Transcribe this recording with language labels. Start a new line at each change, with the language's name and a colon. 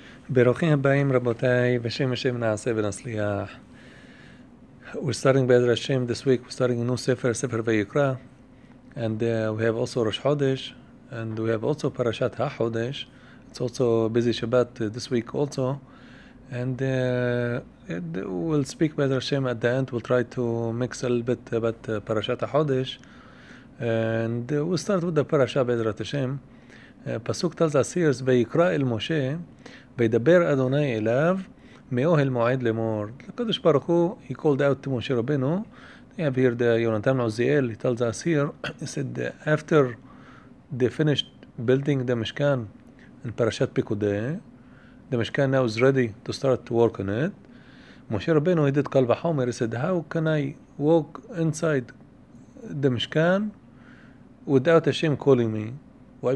Hebrew: ברוכים הבאים רבותיי, בשם השם נעשה ונצליח.
English: We're starting
Hebrew: בעזר השם
English: this week, we're starting a new ספר, ספר ויקרא. And we have also ראש חודש, and we have also פרשת החודש. It's also busy שבת this week also. And we'll speak
Hebrew: בעזר השם
English: at the end, we'll try to mix a little bit about פרשת החודש. And we'll start with the פרשה בעזרת השם.
Hebrew: פסוק תל זסירס, ויקרא אל משה, וידבר אדוני אליו, מאוהל מועד למור. הקדוש ברוך הוא,
English: he called out to משה רבנו, he appeared יונתן עוזיאל, he told Zasir, he said, after they finished building the משכן in פרשת פקודי, the משכן now is ready to start to work on it. משה רבנו, he did קל וחומר, he said, how can I walk inside the משכן without Hashem calling me? Why?